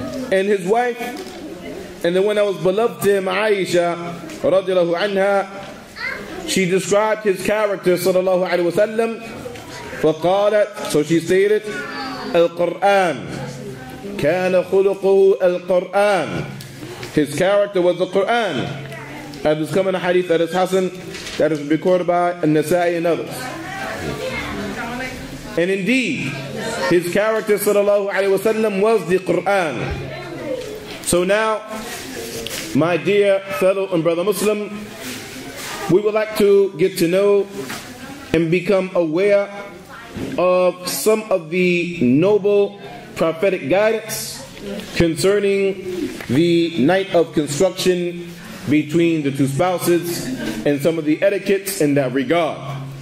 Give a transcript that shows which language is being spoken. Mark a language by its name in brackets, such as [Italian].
[English] And his wife, and the one that was beloved to him, Aisha radiallahu anha, she described his character sallallahu alayhi wa sallam. [Arabic] فقالت, so she stated, القرآن كان خلقه القرآن. [English] His character was the Quran. As is coming a hadith that is Hassan, that is recorded by An-Nasa'i and others. And indeed, his character sallallahu alayhi wa sallam was the Quran. So now, my dear fellow and brother Muslim, we would like to get to know and become aware of some of the noble prophetic guidance concerning the night of construction between the two spouses and some of the etiquettes in that regard.